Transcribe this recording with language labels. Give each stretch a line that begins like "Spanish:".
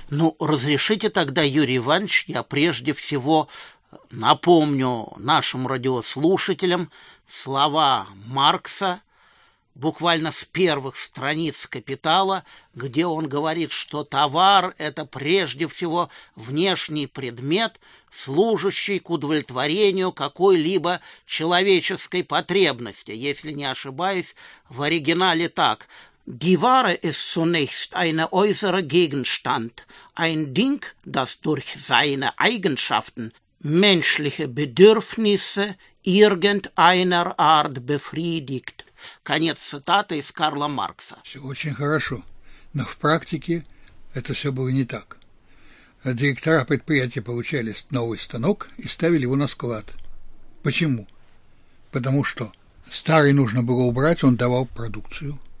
Russian: Ну, разрешите тогда, Юрий Иванович, я прежде всего напомню нашим радиослушателям слова Маркса, буквально с первых страниц «Капитала», где он говорит, что товар – это прежде всего внешний предмет, служащий к удовлетворению какой-либо человеческой потребности. Если не ошибаюсь, в оригинале так.
German: «Die Ware ist zunächst ein äußerer Gegenstand, ein Ding, das durch seine Eigenschaften, menschliche Bedürfnisse irgendeiner Art befriedigt».
Russian: Конец цитаты из Карла Маркса. Все очень хорошо, но в практике это все было не так. Директора предприятия получали новый станок и ставили его на склад. Почему? Потому что старый нужно было убрать, он давал продукцию.